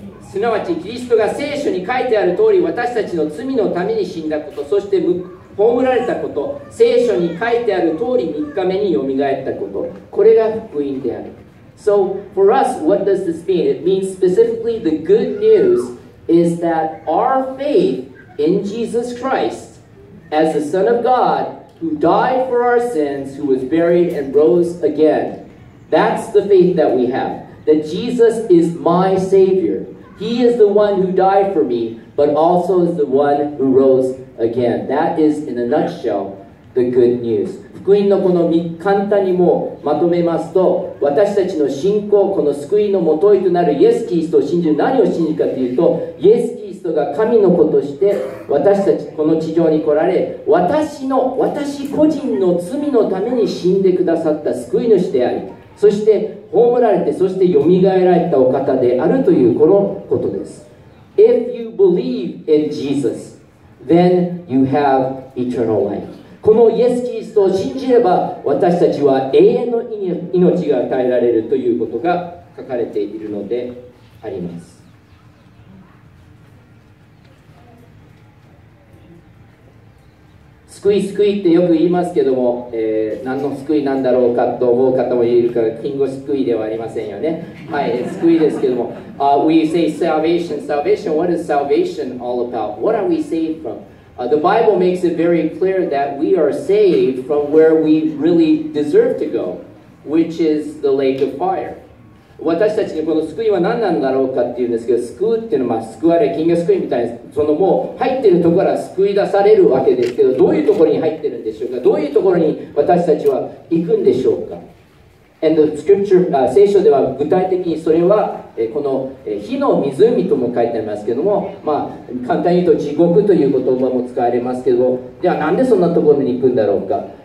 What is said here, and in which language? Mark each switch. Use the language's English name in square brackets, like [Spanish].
[Japanese] すなわちキリストが聖書に書いてある通り私たちの罪のために死んだこと、そして葬られたこと、聖書に書いてある通り3日目によみがえったこと、これが福音である。 [English] So, for us, what does this mean? It means specifically the good news is that our faith in Jesus Christ as the Son of God who died for our sins, who was buried and rose again. That's the faith that we have. That Jesus is my Savior. He is the one who died for me, but also is the one who rose again. Again, that is, in a nutshell, the good news. [Japanese] 福音のこの簡単にもまとめますと、私たちの信仰、この救いのもといとなるイエス・キリストを信じる、何を信じるかというと、イエス・キリストが神の子として私たちこの地上に来られ、私個人の罪のために死んでくださった救い主であり、そして葬られて、そして蘇られたお方であるというこのことです。 [English] If you believe in Jesus,Then you have eternal life. [Japanese] このイエス・キリストを信じれば私たちは永遠の命が与えられるということが書かれているのであります。救い救いってよく言いますけども、何の救いなんだろうかと思う方もいるから、金吾救いではありませんよね。はい、救いですけども。 [English] We say salvation, salvation, what is salvation all about? What are we saved from? The Bible makes it very clear that we are saved from where we really deserve to go, which is the lake of fire. [Japanese] 私たちにこの救いは何なんだろうかっていうんですけど、救うっていうのは救われ、金魚救いみたいな、そのもう入ってるところから救い出されるわけですけど、どういうところに入ってるんでしょうか、どういうところに私たちは行くんでしょうか。 [English] And the scripture, [Japanese] 聖書では具体的にそれはこの火の湖とも書いてありますけども、まあ、簡単に言うと地獄という言葉も使われますけど、ではなんでそんなところに行くんだろうか。